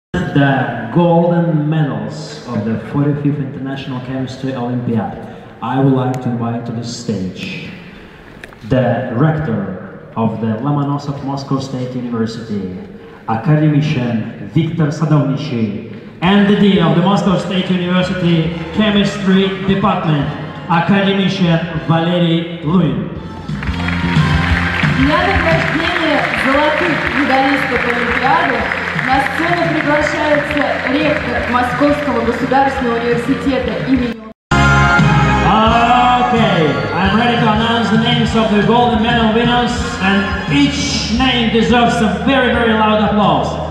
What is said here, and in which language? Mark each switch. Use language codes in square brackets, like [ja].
[en] the golden medals of the 45th International Chemistry Olympiad, I would like to invite to the stage the rector of the Lomonosov Moscow State University, academician Viktor Sadovnichi, and the dean of the Moscow State University Chemistry Department, academician Valery Luin. [ru] Для награждения золотых медалистов Олимпиады на сцену приглашается ректор Московского государственного университета имени... [en] Okay, I'm ready to announce the names of the golden medal winners, and each name deserves a very, very loud applause.